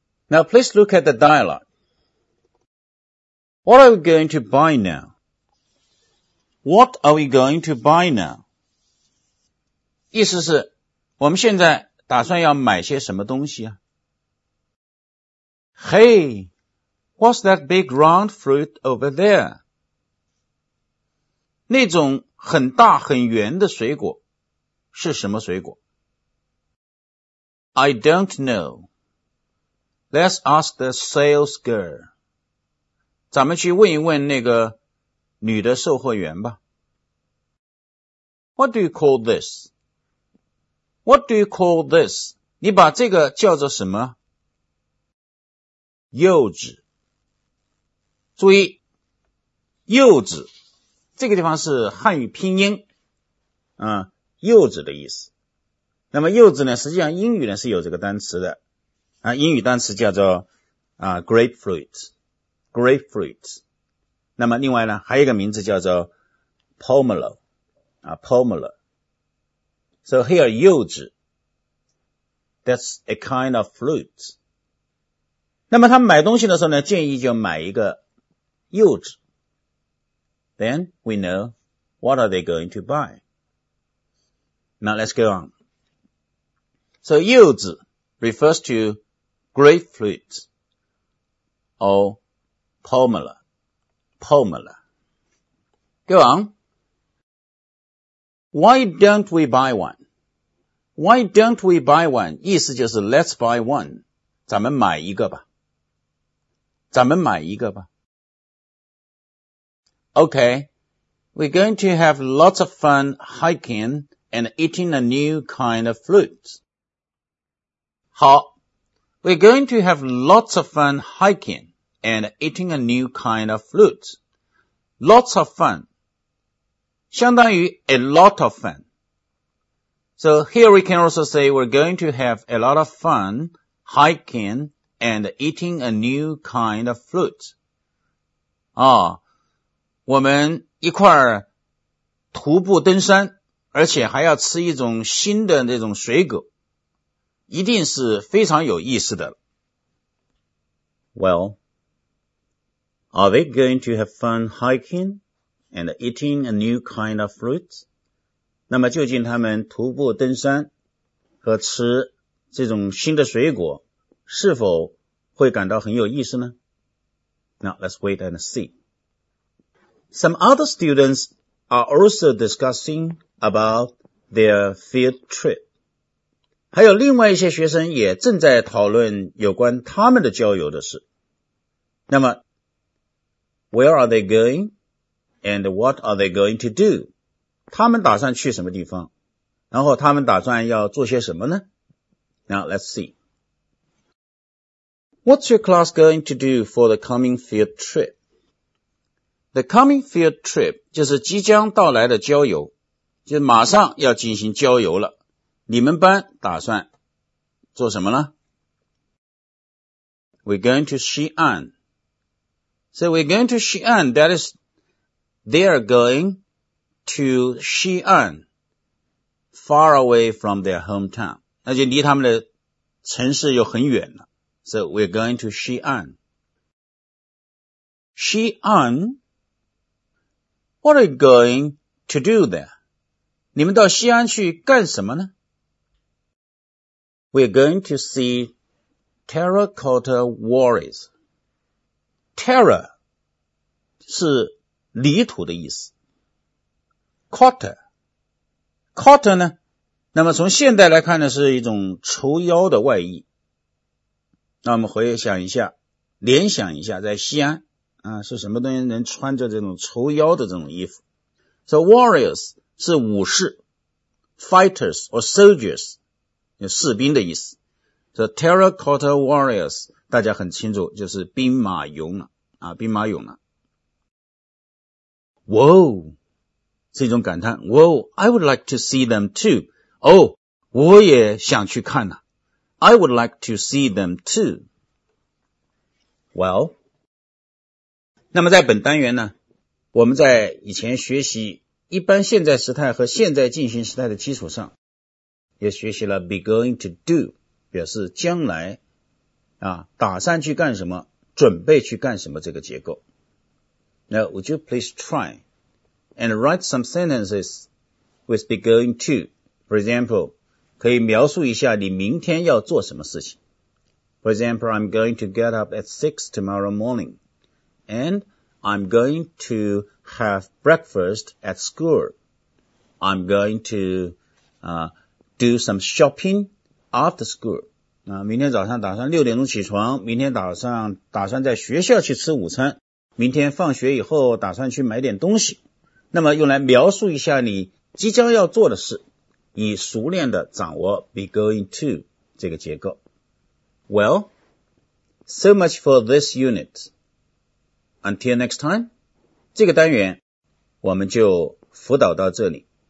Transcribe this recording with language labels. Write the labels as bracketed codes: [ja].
[en] Now please look at the dialogue. What are we going to buy now? What are we going to buy now? [zh] 意思是我们现在打算要买些什么东西啊 ？ [en] Hey, what's that big round fruit over there? [zh] 那种很大很圆的水果是什么水果 ？ [en] I don't know. Let's ask the sales girl. [zh] 咱们去问一问那个女的售货员吧。 [en] What do you call this? What do you call this? [zh] 你把这个叫做什么？柚子。注意，柚子，这个地方是汉语拼音，柚子的意思。那么柚子呢，实际上英语呢是有这个单词的，英语单词叫做grapefruit。那么另外呢，还有一个名字叫做 pomelo。 [en] So here, 柚子 that's a kind of fruit. [zh] 那么他买东西的时候呢，建议就买一个柚子。 [en] Then we know what are they going to buy. Now let's go on. So 柚子 refers to grapefruit or pomelo. Go on. Why don't we buy one? Why don't we buy one? [zh] 意思就是 [en] let's buy one. [zh] 咱们买一个吧。咱们买一个吧。 [en] Okay, we're going to have lots of fun hiking and eating a new kind of fruit. [zh] 好 [en] ,we're going to have lots of fun hiking and eating a new kind of fruit. Lots of fun. [zh] 相当于 [en] a lot of fun. So here we can also say we're going to have a lot of fun hiking and eating a new kind of fruit. [zh] 我们一块儿徒步登山，而且还要吃一种新的那种水果，一定是非常有意思的。 [en] Well, are they going to have fun hiking and eating a new kind of fruit? [zh] 那么究竟他们徒步登山和吃这种新的水果是否会感到很有意思呢 [en] Now let's wait and see. Some other students are also discussing about their field trip. [zh] 还有另外一些学生也正在讨论有关他们的郊游的事。那么 [en] Where are they going? And what are they going to do? [zh] 他们打算去什么地方？然后他们打算要做些什么呢 ？ [en] Now let's see. What's your class going to do for the coming field trip? The coming field trip [zh] 就是即将到来的郊游，就马上要进行郊游了。你们班打算做什么呢 ？ [en] We're going to Xi'an. So we're going to Xi'an. That is, they are going to Xi'an, far away from their hometown. [zh] 那就离他们的城市又很远了。 [en] So we're going to Xi'an. Xi'an, what are you going to do there? [zh] 你们到西安去干什么呢? [en] We're going to see terracotta warriors. [zh] Terra 是泥土的意思。 Cotta 呢那么从现代来看呢是一种绸腰的外衣。那我们回想一下联想一下在西安是什么东西能穿着这种绸腰的这种衣服。 [en] So warriors [zh] 是武士 [en] ,fighters or soldiers, [zh] 士兵的意思。 [en] So terracotta warriors, [zh] 大家很清楚就是兵马俑了兵马俑了。 [en] Whoa! [zh] 是一种感叹 [en] Whoa, I would like to see them too. [zh] 我也想去看啊。 [en] I would like to see them too. Well, [zh] 那么在本单元呢，我们在以前学习一般现在时态和现在进行时态的基础上，也学习了 be going to do， 表示将来啊，打算去干什么，准备去干什么这个结构。 [en] Now, would you please try and write some sentences with be going to? For example, [zh] 可以描述一下你明天要做什么事情。 [en] For example, I'm going to get up at 6 tomorrow morning, and I'm going to have breakfast at school. I'm going to do some shopping after school. [zh] 明天早上打算6点钟起床，明天打算在学校去吃午餐，明天放学以后打算去买点东西。那么用来描述一下你即将要做的事，以熟练的掌握 be going to 这个结构。 [en] Well, so much for this unit. Until next time, [zh] 这个单元我们就辅导到这里。